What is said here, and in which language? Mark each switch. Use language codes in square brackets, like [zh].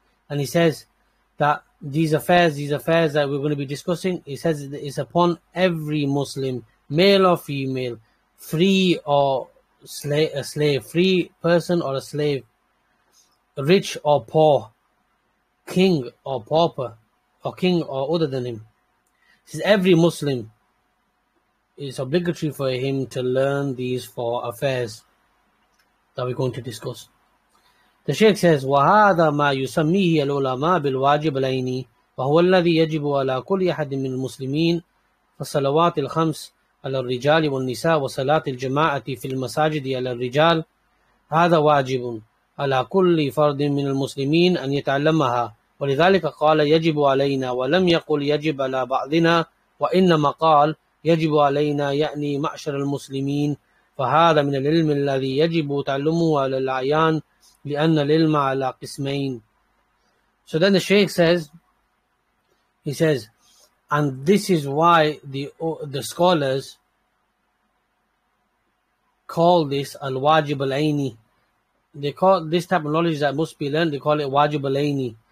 [en] And he says that these affairs that we're going to be discussing, he says it's upon every Muslim, male or female, free or a slave, free person or a slave, rich or poor, king or pauper, or king or other than him. This is every Muslim. It's obligatory for him to learn these four affairs that we're going to discuss. The Shaykh says, [ar] وَهَذَا مَا يُسَمِّيهِ الْعُلَمَا بِالْوَاجِبِ الْعَيْنِ وَهُوَ الَّذِي يَجِبُ عَلَى كُلِّ أَحَدٍ مِنَ الْمُسْلِمِينَ فَالصَّلَوَاتِ الْخَمْسِ على الرجال والنساء وصلاة الجماعة في المساجد على الرجال هذا واجب على كل فرد من المسلمين أن يتعلمها ولذلك قال يجب علينا ولم يقل يجب على بعضنا وإنما قال يجب علينا يعني معشر المسلمين فهذا من العلم الذي يجب تعلمه على الأعيان لأن العلم على قسمين. [en] So then the Shaykh says, he says, and this is why the scholars call this al-wajib al-ayni. They call this type of knowledge that must be learned, they call it wajib al-ayni.